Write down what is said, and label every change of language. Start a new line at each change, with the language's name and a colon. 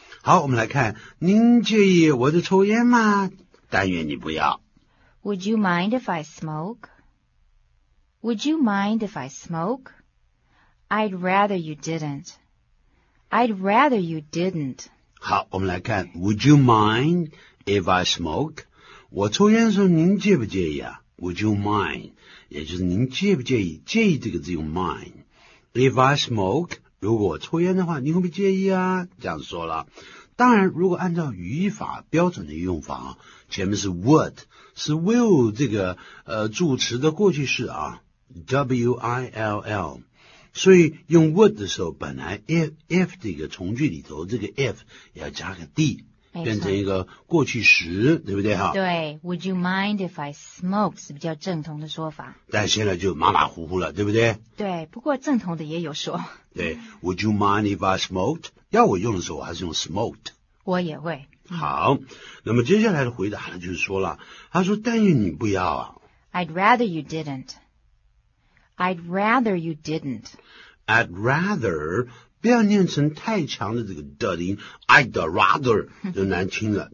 Chinese: 好，我们来看，您介意我在抽烟吗？但愿你不要。
English: Would you mind if I smoke? Would you mind if I smoke? I'd rather you didn't. I'd rather you didn't.
Chinese: 好，我们来看
English: ,Would you mind if I smoke?
Chinese: 我抽烟的时候您介不介意啊 ?
English: Would you mind?
Chinese: 也就是您介不介意，介意这个字用 mind。
English: If I smoke,
Chinese: 如果抽烟的话你会不会介意啊，这样说了。当然如果按照语法标准的用法，前面是 would, 是 will 这个助词的过去式啊 ,will, 所以用 would 的时候本来 if 这个从句里头这个 if 要加个 d, 变成一个过去时，对不对啊，
English: 对 ,would you mind if I smoke
Chinese: 是比较正统的说法。但现在就马马虎虎了，对不对，对，不过正统的也有说。
English: 对 ,would you mind if I smoked?
Chinese: 要我用的时候我还是用 smoked。我也会。好，那么接下来的回答呢就是说了，他说但愿你不要啊。
English: I'd rather you didn't. I'd rather you didn't. I'd rather,
Chinese: 不要念成太强的这个 d 音 ,I'd rather, 就难听了。